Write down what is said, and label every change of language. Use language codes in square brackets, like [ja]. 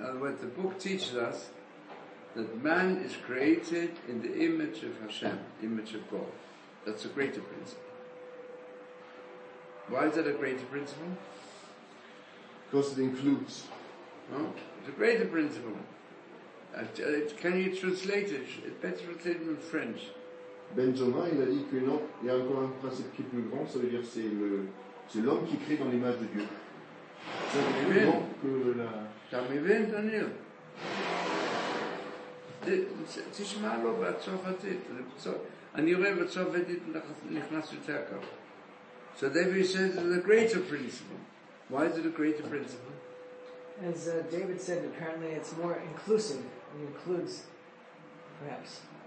[en] And what the book teaches us that man is created in the image of Hashem, image of God. That's a greater principle. Why is that a greater principle? Because it includes. Oh, it's a greater principle. Can you translate it? It's better translated in French. [fr] Benjamin, il a dit que non, il y a encore un principe qui est plus grand, ça veut dire c'est le, c'est l'homme qui crée dans l'image de Dieu. C'est plus grand que la... T'as mis bien, Daniel? T'es mal au bas, tu as fait ça. [en] And you remember so we did Nichnasutaka. So David says it's a greater principle. Why is it a greater principle? As David said, apparently it's more inclusive. It includes, perhaps.